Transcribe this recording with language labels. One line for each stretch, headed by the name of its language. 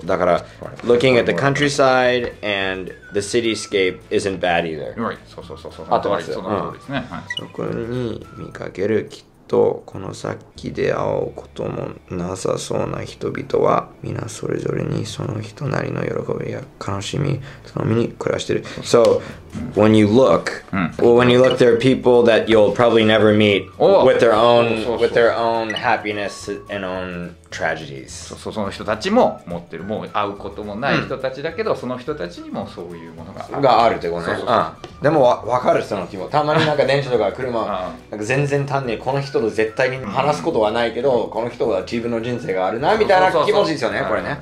English: だから looking at the countryside and the cityscape isn't bad either、 right. そう
Japanese: あとはその通りですね、うん、そこに見かけるきっとこの先で会うこともなさそうな人々は皆それぞれにその人なりの喜びや悲しみその身に暮らしている。
English: So when you look、うん、 well, when you look there are people that you'll probably never meet with their own with their own happiness and own tragedies。
Japanese: その人たちも持ってる、もう会うこともない人たちだけど、うん、その人たちにもそういうものがある、があるってことね。でも分かる、その気も。たまになんか電車とか車なんか全然単にこの人と絶対に話すことはないけど、うん、この人は自分の人生があるなみたいな気持ちですよね、これね。